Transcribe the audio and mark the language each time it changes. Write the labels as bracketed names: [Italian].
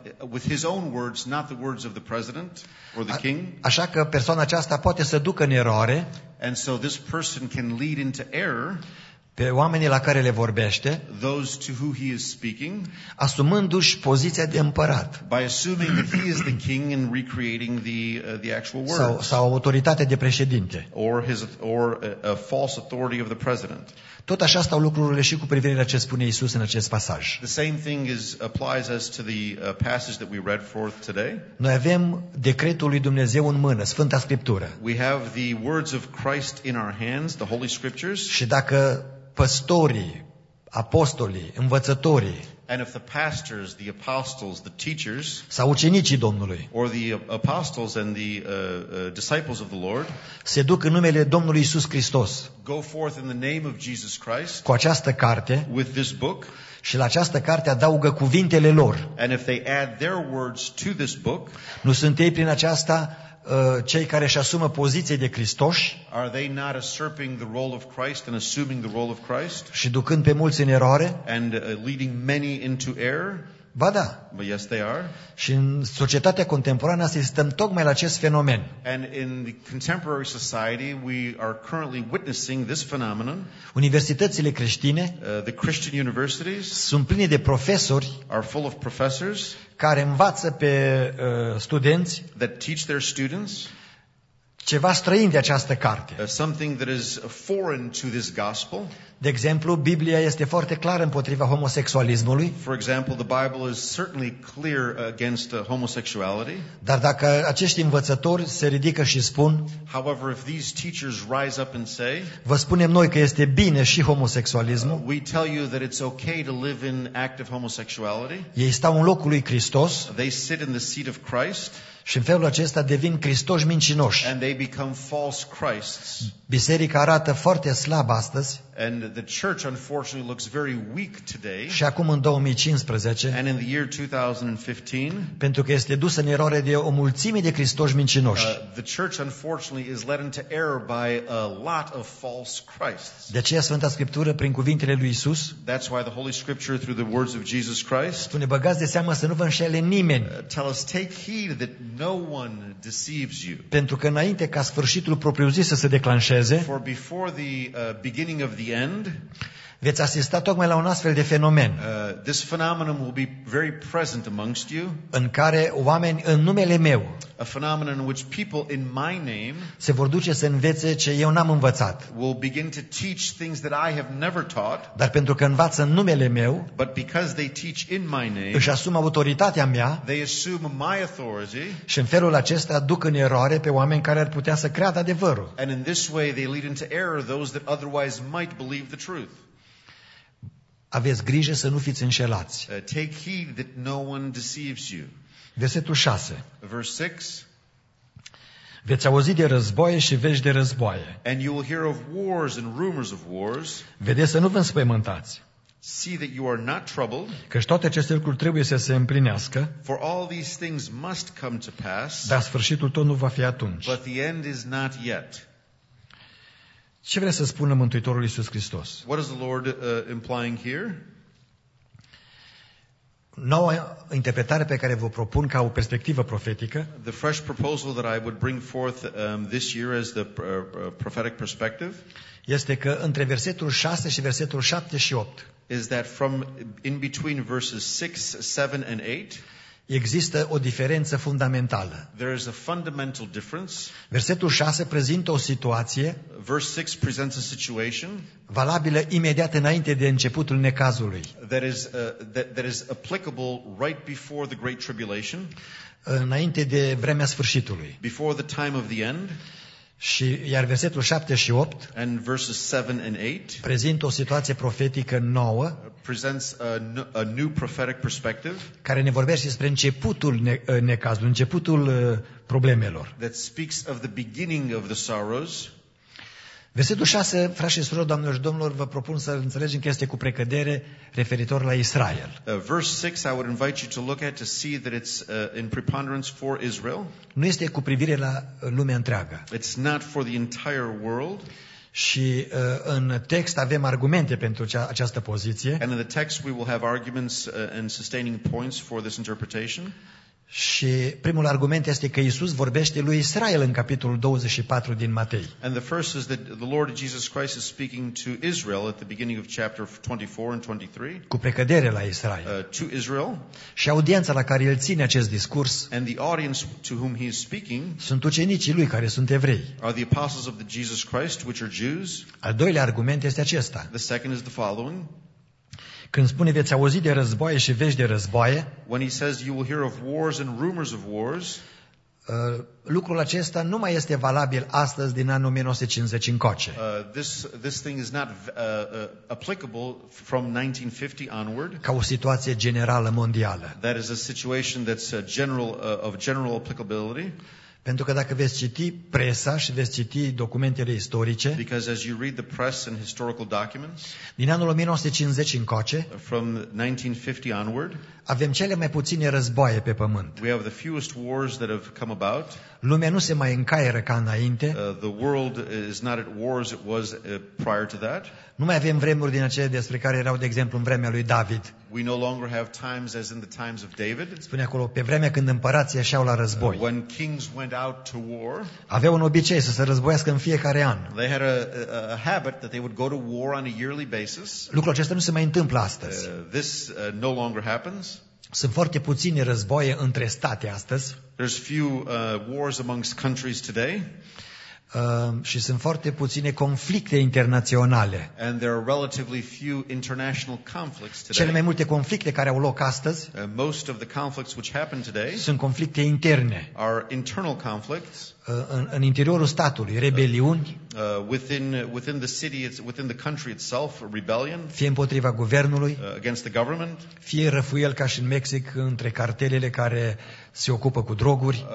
[English] with his own words, not the words of the president or the king. [Romanian] Așa că persoana aceasta poate să ducă în eroare, [English] and so this person can lead into error, [Romanian] pe oamenii la care le vorbește, [English] those to whom he is speaking, [Romanian] asumându-și poziția de împărat, [English] by assuming that he is the king and recreating the actual words, [Romanian] sau autoritate de președinte, [English] or a false authority of the president. [Romanian] Tot așa stau lucrurile și cu privire la ce spune Iisus în acest pasaj. [English] The same thing applies as to the passage that we read forth today. [Romanian] Noi avem decretul lui Dumnezeu în mână, Sfânta Scriptură. [English] We have the words of Christ in our hands, the Holy Scriptures. [Romanian] Și dacă păstorii, apostolii, învățătorii, [English] and if the pastors, the apostles, the teachers, [Romanian] sau ucenicii Domnului, [English] or the apostles and the disciples of the Lord, [Romanian] se duc în numele Domnului Iisus Hristos, [English] go forth in the name of Jesus Christ, [Romanian] cu această carte, [English] with this book, [Romanian] Și la această carte adaugă cuvintele lor. [English] And if they add their words to this book, [Romanian] nu sunt ei prin aceasta cei care își asumă poziția de Hristoși? [English] Are they not usurping the role of Christ and assuming the role of Christ? [Romanian] Și ducând pe mulți în eroare? [English] And leading many into error? [Romanian] Ba da. [English] But yes, they are. [Romanian] Și în societatea contemporană asistăm tocmai la acest fenomen. [English] And in the contemporary society, we are currently witnessing this phenomenon. [Romanian] Universitățile creștine, [English] the Christian universities, [Romanian] sunt pline de profesori, [English] are full of professors, [Romanian] care învață pe studenți, [English] that teach their students, [Romanian] ceva străin de această carte. [English] Something that is foreign to this gospel. [Romanian] De exemplu, Biblia este foarte clară împotriva homosexualismului. [English] For example, the Bible is certainly clear against homosexuality. [Romanian] Dar dacă acești învățători se ridică și spun, [English] however, if these teachers rise up and say, [Romanian] vă spunem noi că este bine și homosexualismul. [English] We tell you that it's okay to live in active homosexuality. [Romanian] Ei stau în locul lui Hristos. [English] They sit in the seat of Christ. [Romanian] Și în felul acesta devin Hristoși mincinoși. [English] And they become false Christs. [Romanian] Biserica arată foarte slab astăzi. [English] And the church unfortunately looks very weak today. [Romanian] Și acum în 2015. [English] And in the year 2015. [Romanian] Pentru că este dusă în eroare de o mulțime de Hristoși mincinoși. [English] The church unfortunately is led into error by a lot of false Christs. [Romanian] De aceea Sfânta Scriptură prin cuvintele lui Isus. [English] That's why the Holy Scripture through the words of Jesus Christ. [Romanian] Spune, băgați de seamă să nu vă înșele nimeni. [English] Tell us, take heed that no one deceives you. [Romanian] Pentru că înainte ca sfârșitul propriu-zis să se declanșeze. [English] For before the beginning of the end. [Romanian] Veți asista tocmai la un astfel de fenomen. [English] This phenomenon will be very present amongst you. [Romanian] În care oameni în numele meu. [English] A phenomenon in which people in my name. [Romanian] Se vor duce să învețe ce eu n-am învățat. [English] Will begin to teach things that I have never taught. [Romanian] Dar pentru că învață în numele meu. [English] But because they teach in my name. [Romanian] Își asumă autoritatea mea. [English] They assume my authority. [Romanian] Și în felul acesta duc în eroare pe oameni care ar putea să creadă adevărul. [English] And in this way they lead into error those that otherwise might believe the truth. [Romanian] Aveți grijă să nu fiți înșelați. [English] Take heed that no one deceives you. [Romanian] Versetul 6. [English] Verse 6. [Romanian] Veți auzi de războaie și vești de războaie. [English] And you will hear of wars and rumors of wars. [Romanian] Vedeți să nu vă înspăimântați. [English] See that you are not troubled. [Romanian] Căci toate aceste lucruri trebuie să se împlinească. [English] For all these things must come to pass. [Romanian] Dar sfârșitul tot nu va fi atunci. [English] But the end is not yet. [Romanian] Ce vrea să spună Mântuitorul Iisus Hristos? [English] What is the Lord implying here? [Romanian] Noua interpretare pe care vă propun ca o perspectivă profetică. [English] The fresh proposal that I would bring forth this year as the prophetic perspective. [Romanian] Este că între versetul 6 și versetul 7 și 8. [English] Is that from in between verses 6, 7 and 8? [Romanian] Există o diferență fundamentală. [English] There is a fundamental difference. [Romanian] Versetul 6 prezintă o situație. [English] Verse 6 presents a situation. [Romanian] Valabilă imediat înainte de începutul necazului. [English] That is applicable right before the great tribulation. [Romanian] Înainte de vremea sfârșitului. [English] Before the time of the end. [Romanian] Și iar versetul 7 și 8. [English] And verses 7 and 8. [Romanian] Prezintă o situație profetică nouă. [English] Presents a new prophetic perspective. [Romanian] Care ne vorbește despre începutul necazului, începutul problemelor. [English] That speaks of the beginning of the sorrows. [Romanian] Versetul 6, frați și surori, doamnelor și domnilor, vă propun să înțelegem că este cu precădere referitor la Israel. [English] Verse 6, I would invite you to look at to see that it's in preponderance for Israel. [Romanian] Nu este cu privire la lumea întreagă. [English] It's not for the entire world. [Romanian] Și în text avem argumente pentru această poziție. [English] And in the text we will have arguments and sustaining points for this interpretation. [Romanian] Și primul argument este că Iisus vorbește lui Israel în capitolul 24 din Matei. [English] And the first is that the Lord Jesus Christ is speaking to Israel at the beginning of chapter 24 and 23. [Romanian] Cu precădere la Israel. [English] To Israel. [Romanian] Și audiența la care el ține acest discurs. [English] And the audience to whom he is speaking. [Romanian] Sunt ucenicii lui care sunt evrei. [English] Are the apostles of the Jesus Christ which are Jews. [Romanian] Al doilea argument este acesta. [English] The second is the following. [Romanian] Când spune veți auzi de războaie și vești de războaie, [English] when he says you will hear of wars and rumors of wars, [Romanian] lucrul acesta nu mai este valabil astăzi din anul 1950 încoace. [English] This thing is not applicable from 1950 onward. [Romanian] Ca o situație generală mondială. [English] That is a situation that's general of general applicability. [Romanian] Pentru că dacă veți citi presa și veți citi documentele istorice, [English] because as you read the press and historical documents, [Romanian] din anul 1950 încoace, [English] from 1950 onward, [Romanian] avem cele mai puține războaie pe pământ. [English] We have the fewest wars that have come about. [Romanian] Lumea nu se mai încaieră ca înainte. [English] The world is not at war as it was prior to that. [Romanian] Nu mai avem vremuri din acele despre care erau, de exemplu, în vremea lui David. [English] We no longer have times as in the times of David. [Romanian] Spune acolo, pe vremea când împărații ieșeau la război. [English] When kings went out to war. [Romanian] Aveau un obicei să se războiască în fiecare an. [English] They had a habit that they would go to war on a yearly basis. [Romanian] Lucrul acesta nu se mai întâmplă astăzi. [English] This no longer happens. [Romanian] Sunt foarte puține războaie între state astăzi. [English] There's few wars amongst countries today. [Romanian] Și sunt foarte puține conflicte internaționale. [English] And there are relatively few international conflicts today. [Romanian] Cele mai multe conflicte care au loc astăzi, [English] most of the conflicts which happen today, [Romanian] sunt conflicte interne. [English] Are internal conflicts. [Romanian] În interiorul statului, rebeliuni. [English] Within the city, within the country itself, a rebellion. [Romanian] Fie împotriva guvernului. [English] Against the government. [Romanian] Fie răfuiel ca și în Mexic între cartelele care se ocupă cu droguri.